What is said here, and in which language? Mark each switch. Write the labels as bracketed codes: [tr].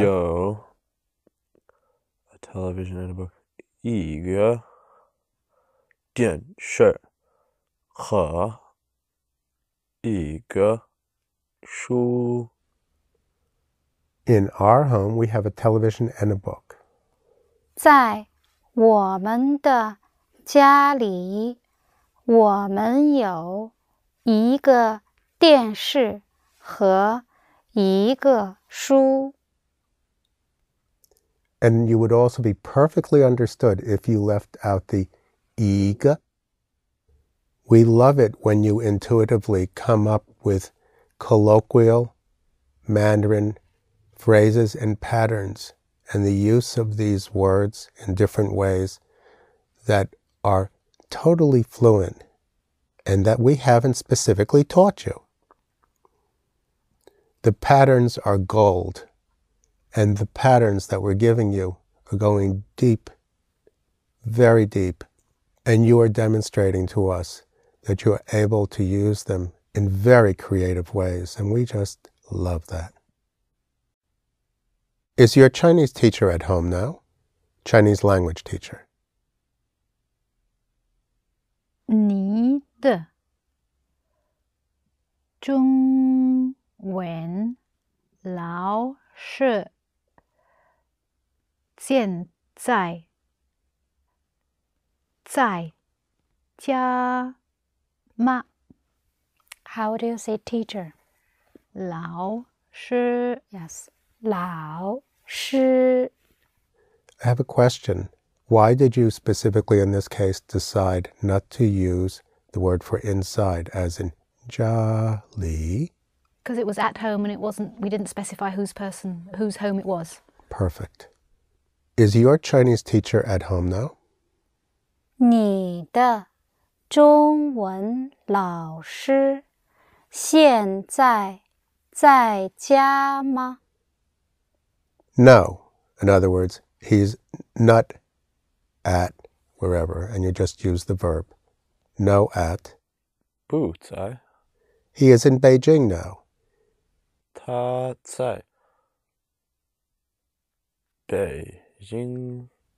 [zh] 有 [en] a television and a book, [zh] 一个电视和一个书。 [en] In our home, we have a television and a book. [zh] 在我们的家里，我们有一个电视和一个书。 [en] And you would also be perfectly understood if you left out the 一个. We love it when you intuitively come up with colloquial Mandarin phrases and patterns and the use of these words in different ways that are totally fluent and that we haven't specifically taught you. The patterns are gold, and the patterns that we're giving you are going deep, very deep, and you are demonstrating to us that you are able to use them in very creative ways, and we just love that. Is your Chinese teacher at home now? Chinese language teacher. [zh] 你的中文老师现在在家吗? [en] How do you say teacher? [zh] 老师 [en] Yes. 老师 I have a question. Why did you specifically in this case decide not to use the word for inside as in 家里? Because it was at home and we didn't specify whose home it was. Perfect. Is your Chinese teacher at home now? 你的中文老师现在在家吗? No. In other words, he's not at wherever, and you just use the verb. No at. [zh] 不在. [en] He is in Beijing now. [zh] 他在北京。